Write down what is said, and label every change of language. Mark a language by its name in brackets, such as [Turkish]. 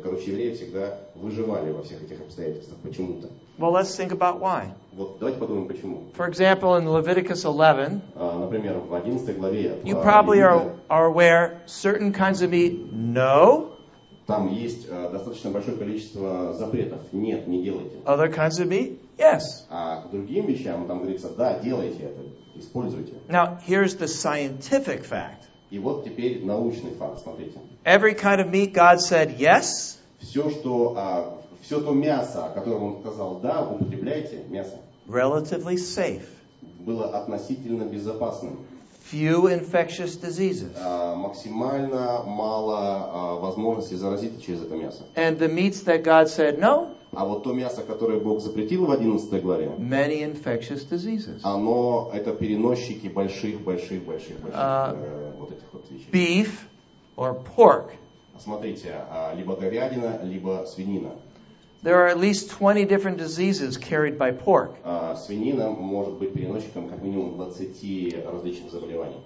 [Russian] Короче, евреи всегда выживали во всех этих обстоятельствах почему-то. [English] Well, let's think about why. [Russian] Вот, давайте подумаем, почему. [English] For example, in Leviticus 11, [Russian] например, в 11 главе, [English] you probably are aware certain kinds of meat, no. [Russian] Там есть достаточно большое количество запретов. Нет, не делайте. [English] Other kinds of meat, yes. [Russian] А к другим вещам там говорится, да, делайте это, используйте. [English] Now, here's the scientific fact. [Russian] И вот теперь научный факт, смотрите. [English] Every kind of meat, God said, yes. [Russian] Все то мясо, которое он сказал, да, употребляйте мясо. [English] Relatively safe. [Russian] Было относительно безопасным. [English] Few infectious diseases. [Russian] Максимально мало возможностей заразиться через это мясо. [English] And the meats that God said no. [Russian] А вот то мясо, которое Бог запретил в 11 главе. [English] Many infectious diseases. [Russian] Оно это переносчики больших вот этих вот вещей. [English] Beef or pork. [Russian] Смотрите, либо говядина, либо свинина. [English] There are at least 20 different diseases carried by pork. [Russian] Свинина может быть переносчиком как минимум 20 различных заболеваний.